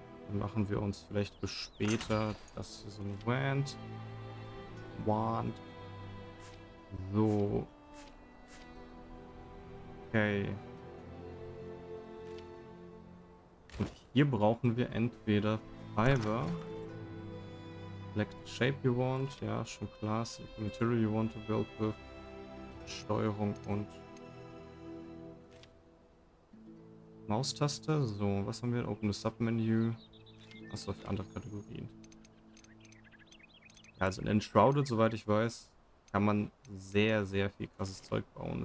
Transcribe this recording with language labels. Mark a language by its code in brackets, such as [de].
[de] Dann machen wir uns vielleicht für später das hier so ein Wand. Wand. So. Okay. Und hier brauchen wir entweder Fiber. [en] Select the shape you want. [de] Ja, schon klar. [en] Select the material you want to build with. [de] Steuerung und Maustaste. So, was haben wir? [en] Open the submenu. [de] Achso, für andere Kategorien. Ja, also in Enshrouded, soweit ich weiß, kann man sehr, sehr viel krasses Zeug bauen.